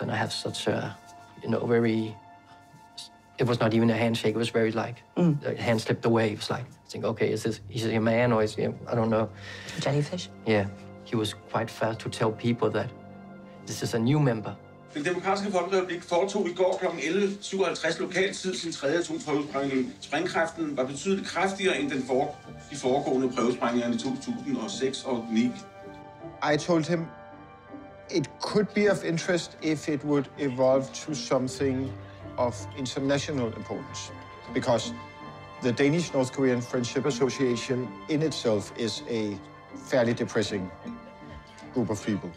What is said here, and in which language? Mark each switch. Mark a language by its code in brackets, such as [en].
[en] And I have such a, you know, very, it was not even a handshake. It was very like, the hand slipped away. It was like, I think, okay, is this a man or is he, I don't know. Jellyfish? Yeah. He was quite fast to tell people that this is a new member. [da] Den demokratiske folkerepublik foretog i går kl. 11.57 lokal tid sin tredje atomprøvesprængning. Sprængkraften var betydeligt kraftigere end de foregående prøvesprængninger i 2006 og 2009. [en] I told him it could be of interest if it would evolve to something of international importance, because the Danish-North Korean Friendship Association in itself is a fairly depressing group of people.